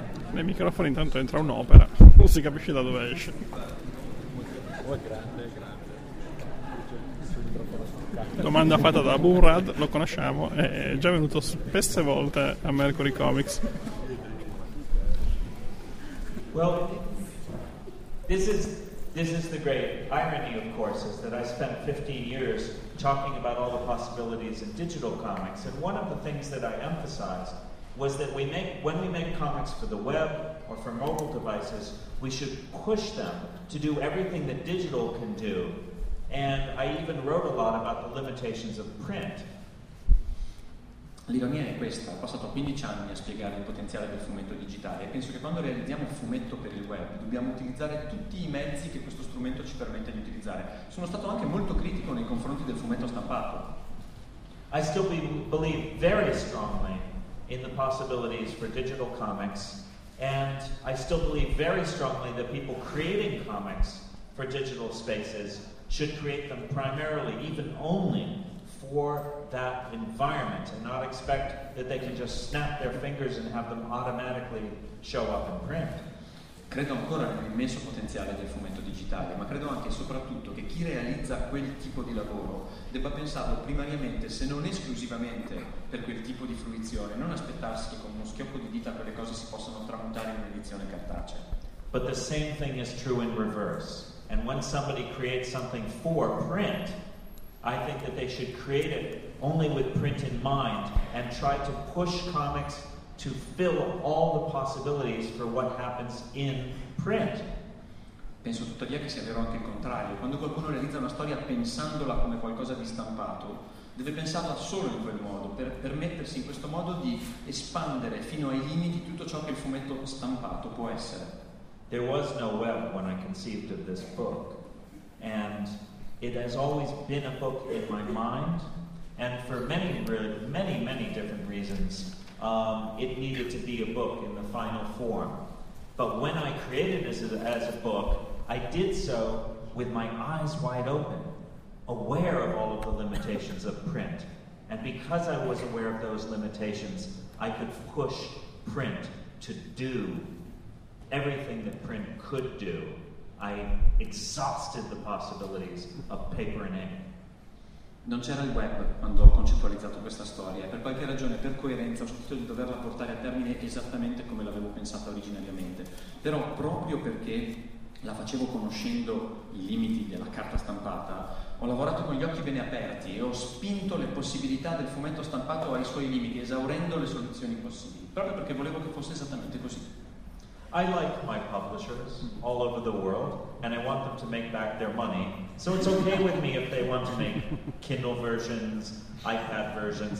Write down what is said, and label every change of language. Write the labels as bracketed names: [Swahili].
[Italian] Nel microfono intanto entra un'opera, non si capisce da dove esce. Domanda fatta da Burrad, lo conosciamo, è già venuto spesse volte a Mercury Comics. [English] Well, this is the great irony, of course, is that I spent 15 years talking about all the possibilities in digital comics, and one of the things that I emphasized was that when we make comics for the web or for mobile devices, we should push them to do everything that digital can do. And I even wrote a lot about the limitations of print. [Italian] L'ironia è questa, ho passato 15 anni a spiegare il potenziale del fumetto digitale e penso che quando realizziamo un fumetto per il web dobbiamo utilizzare tutti i mezzi che questo strumento ci permette di utilizzare. Sono stato anche molto critico nei confronti del fumetto stampato. [English] I still believe very strongly in the possibilities for digital comics, and I still believe very strongly that people creating comics for digital spaces should create them primarily, even only, for that environment, and not expect that they can just snap their fingers and have them automatically show up in print. [Italian] Credo ancora nell'immenso potenziale del fumetto digitale, ma credo anche e soprattutto che chi realizza quel tipo di lavoro debba pensarlo primariamente, se non esclusivamente, per quel tipo di fruizione, non aspettarsi che con uno schiocco di dita quelle cose si possano tramutare in un'edizione cartacea. [English] But the same thing is true in reverse. And when somebody creates something for print, I think that they should create it only with print in mind and try to push comics to fill all the possibilities for what happens in print. [Italian] Penso tuttavia che sia vero anche il contrario. Quando qualcuno realizza una storia pensandola come qualcosa di stampato, deve pensarla solo in quel modo, per permettersi in questo modo di espandere fino ai limiti tutto ciò che il fumetto stampato può essere. [English] There was no web when I conceived of this book, and it has always been a book in my mind, and for many, really, many, many different reasons, it needed to be a book in the final form. But when I created this as a book, I did so with my eyes wide open, aware of all of the limitations of print. And because I was aware of those limitations, I could push print to do everything that print could do. I exhausted the possibilities of paper and ink. [Italian] Non c'era il web quando ho concettualizzato questa storia e per qualche ragione, per coerenza, ho sentito di doverla portare a termine esattamente come l'avevo pensata originariamente. Però proprio perché la facevo conoscendo i limiti della carta stampata, ho lavorato con gli occhi bene aperti e ho spinto le possibilità del fumetto stampato ai suoi limiti, esaurendo le soluzioni possibili, proprio perché volevo che fosse esattamente così. [English] I like my publishers all over the world, and I want them to make back their money. So it's okay with me if they want to make Kindle versions, iPad versions.